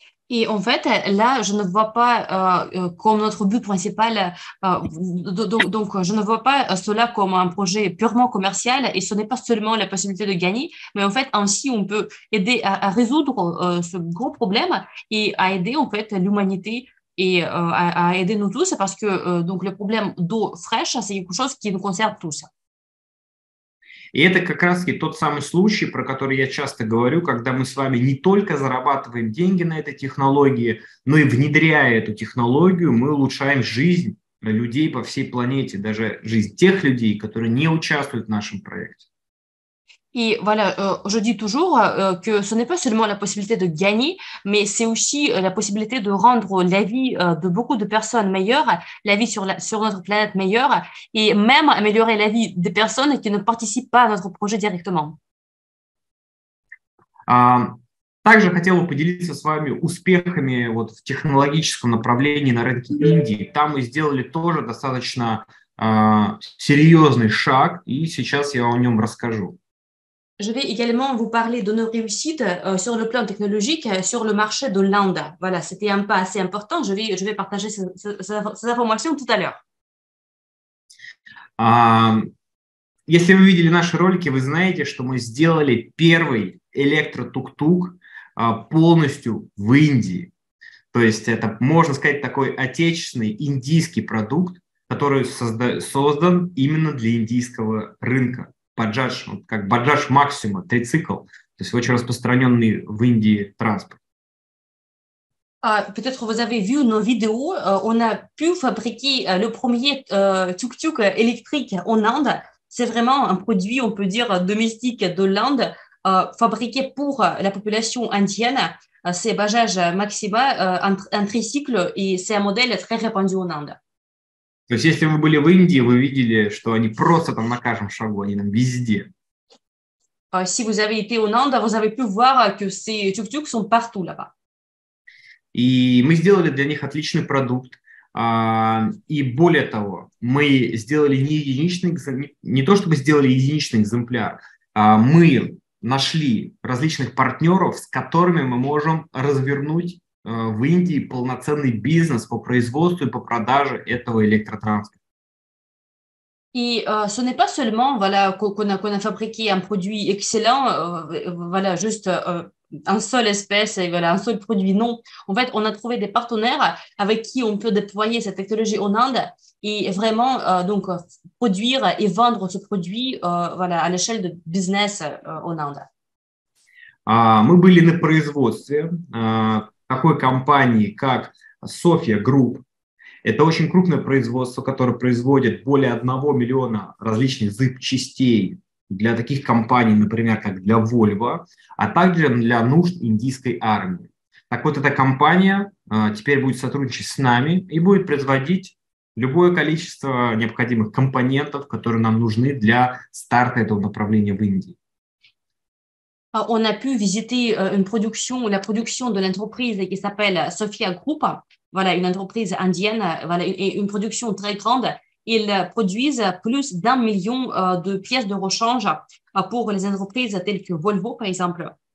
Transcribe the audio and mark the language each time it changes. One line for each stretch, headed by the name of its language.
French: Et en fait, là, je ne vois pas comme notre but principal, donc je ne vois pas cela comme un projet purement commercial, et ce n'est pas seulement la possibilité de gagner, mais en fait, ainsi, on peut aider à résoudre ce gros problème et à aider en fait l'humanité et à aider nous tous, parce que donc, le problème d'eau fraîche, c'est quelque chose qui nous concerne tous.
Russian: И это как раз тот самый случай, про который я часто говорю, когда мы с вами не только зарабатываем деньги на этой технологии, но и внедряя эту технологию, мы улучшаем жизнь людей по всей планете, даже жизнь тех людей, которые не участвуют в нашем проекте. И,
French: voilà, je dis toujours que ce n'est pas seulement la possibilité de gagner, mais c'est aussi la possibilité de rendre la vie de beaucoup de personnes meilleure, la vie sur notre planète meilleure, et même améliorer la vie des personnes qui ne participent pas à notre projet directement.
Russian: Также хотел бы поделиться с вами успехами вот в технологическом направлении на рынке Индии. Там мы сделали тоже достаточно серьезный шаг, и сейчас я о нем расскажу.
French: Je vais également vous parler de nos réussites sur le plan technologique sur le marché de l'Inde. Voilà, c'était un pas assez important. Je vais partager ces informations tout à l'heure.
Russian: Если вы видели наши ролики, вы знаете, что мы сделали первый электротук-тук полностью в Индии. То есть это, можно сказать, такой отечественный индийский продукт, который создан именно для индийского рынка. Баджаж, как Баджаж Максима, трицикл, то есть очень распространенный в Индии транспорт.
French: Peut-être vous avez vu nos vidéos. On a pu fabriquer le premier tuk-tuk électrique en Inde. C'est vraiment un produit, on peut dire, domestique de l'Inde, fabriqué pour la population indienne. C'est Баджаж Максима, un трицикл, et c'est un modèle très répandu en Inde.
Russian: То есть, если вы были в Индии, вы видели, что они просто там на каждом шагу, они там везде.
French: Si vous avez été en Inde, vous avez pu voir que ces tuk-tuk sont partout là-bas.
Russian: И мы сделали для них отличный продукт. И более того, мы сделали не единичный экземпляр, не то чтобы сделали единичный экземпляр, мы нашли различных партнеров, с которыми мы можем развернуть в Индии полноценный бизнес по производству и по продаже этого электротранспорта. И
French: ce n'est pas seulement voilà qu'on a fabriqué un produit excellent voilà juste un seul espèce et voilà un seul produit non. En fait, on a trouvé des partenaires avec qui on peut déployer cette technologie en Inde et vraiment donc produire et vendre ce produit voilà à l'échelle de business en Inde.
Russian: Мы были на производстве такой компании, как Sofia Group. Это очень крупное производство, которое производит более 1 миллиона различных зип-частей для таких компаний, например, как для Volvo, а также для нужд индийской армии. Так вот, эта компания теперь будет сотрудничать с нами и будет производить любое количество необходимых компонентов, которые нам нужны для старта этого направления в Индии.
French: On a pu visiter la production de l'entreprise qui s'appelle Sofia Group, voilà, une entreprise indienne, voilà, et une production très grande. Ils produisent plus d'un million de pièces de rechange pour les entreprises telles que Volvo, par exemple.